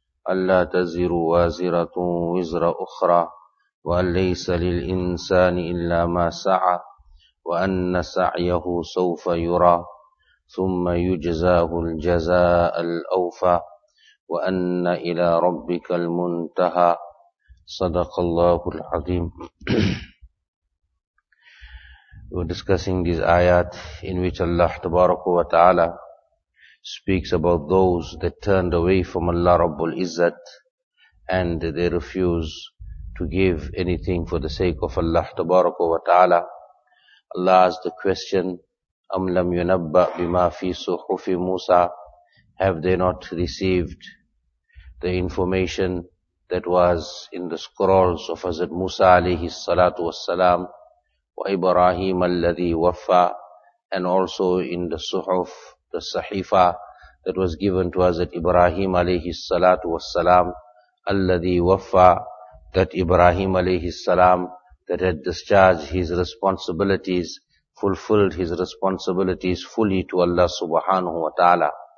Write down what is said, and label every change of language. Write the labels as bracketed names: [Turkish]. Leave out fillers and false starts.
[Arabic] ألا تزر وازرة وزر أخرى وأن ليس للإنسان إلا ما سعى وأن سعيه سوف يرى ثم يجزاه الجزاء الأوفى وأن إلى ربك المنتهى Sadaqallahul Azim. [English] We're discussing these ayat in which Allah Tabaraka wa Ta'ala speaks about those that turned away from Allah Rabbul Izzat and they refuse to give anything for the sake of Allah Tabaraka wa Ta'ala. Allah asked the question, [Arabic] أَمْ لَمْ يُنَبَّأْ بِمَا فِي صُحُفِ مُوسَى. [English] Have they not received the information that was in the scrolls of Hazrat Musa alayhi salatu was salam, wa Ibrahim alladhi waffa, and also in the suhuf, the sahifa, that was given to Hazrat Ibrahim alayhi salatu was salam, alladhi waffa, that Ibrahim alayhi salam, that had discharged his responsibilities, fulfilled his responsibilities fully to Allah subhanahu wa ta'ala.